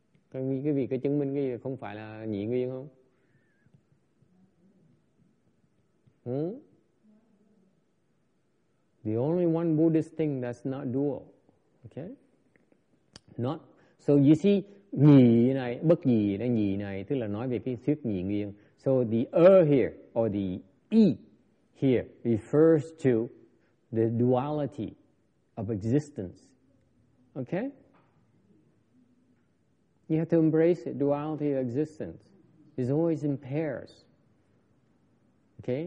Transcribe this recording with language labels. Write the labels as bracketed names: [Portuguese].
[English] Can you give me a [Vietnamese] chứng minh cái gì không phải là nhị nguyên không? [English] The only one Buddhist thing that's not dual, okay? Not so you see, [Vietnamese] nhị này, bất nhị này, tức là nói về cái thuyết nhị nguyên. [English] So the here, or the here, refers to the duality of existence. Okay? You have to embrace it, duality of existence. It's always in pairs. Okay?